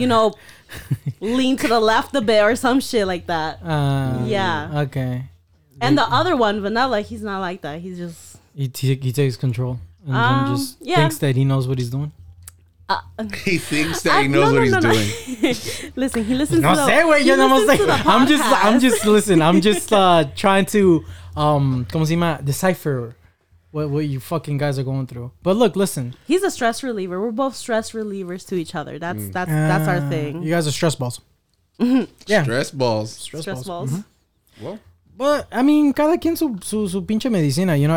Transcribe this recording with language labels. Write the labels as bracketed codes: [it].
[en] You know, lean to the left a bit or some shit like that. Yeah. Okay. And the other one, Vanilla, he's not like that. He's just. He takes control. And thinks that he knows what he's doing. He thinks that he knows what he's doing. Listen, he listens. [es] No sé, güey, yo no más sé. [en] I'm just trying to [es] ¿cómo se llama? [en] Decipher what you fucking guys are going through. But look, listen. He's a stress reliever. We're both stress relievers to each other. That's our thing. You guys are stress balls. Yeah. Stress balls. Stress balls. Mm-hmm. Well, but I mean, [es] cada quien su pinche medicina, [en] you know.